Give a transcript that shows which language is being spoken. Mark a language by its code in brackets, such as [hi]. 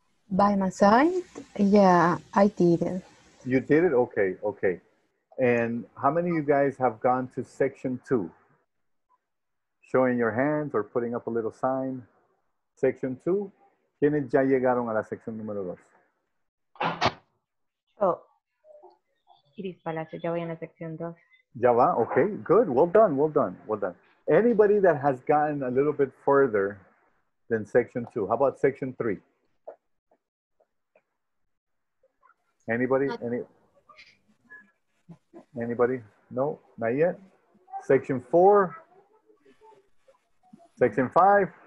[en] By my side? Yeah, I did it. You did it? Okay, okay. And how many of you guys have gone to section two? Showing your hands or putting up a little sign? Section two, [es] ¿quiénes ya llegaron a la sección número dos? Oh, Iris Palacio, ya voy en la sección dos. Ya va, [en] okay, good, well done, well done, well done. Anybody that has gotten a little bit further than section two, how about section three? Anybody, anybody? No, not yet. Section four, section five.